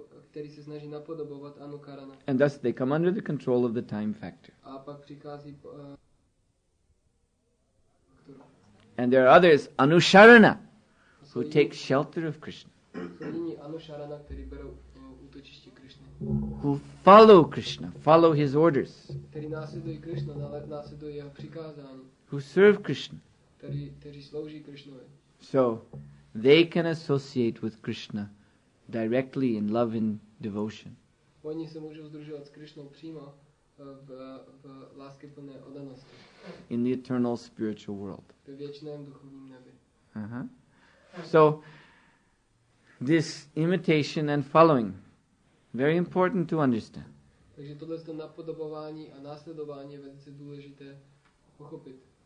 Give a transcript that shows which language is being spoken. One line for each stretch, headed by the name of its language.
Czech: Který se snaží napodobovat anukarana.
English: And thus they come under the control of the time factor.
Czech: A pak přichází,
English: and there are others, anusharana, who take shelter of Krishna.
Czech: Anusharana, který berou útočiště Krishna.
English: Who follow Krishna, follow his orders.
Czech: Který následují Krishna, ale následují jeho přikázání.
English: Who serve Krishna.
Czech: Který slouží Krishnovi.
English: So, they can associate with Krishna directly in love and devotion.
Czech: Oni se můžou sdružovat s Krishnou přímo v láskyplné oddanosti.
English: In the eternal spiritual world.
Czech: Ve věčném duchovním nebi.
English: So, this imitation and following, very important to understand.
Czech: Takže tohle to napodobování a následování je velice důležité pochopit.